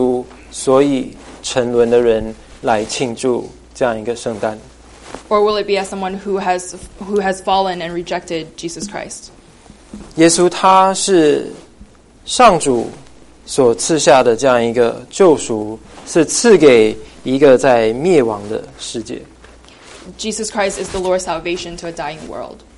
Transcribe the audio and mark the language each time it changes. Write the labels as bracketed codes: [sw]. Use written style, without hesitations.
[zh] 还是会像是一个拒绝了耶稣，所以沉沦的人？来庆祝这样一个圣诞 [en] Or will it be as someone who has fallen and rejected Jesus Christ? [zh] 耶稣他是上主所赐下的这样一个救赎，是赐给一个在灭亡的世界。 [en] Jesus Christ is the Lord's salvation to a dying world.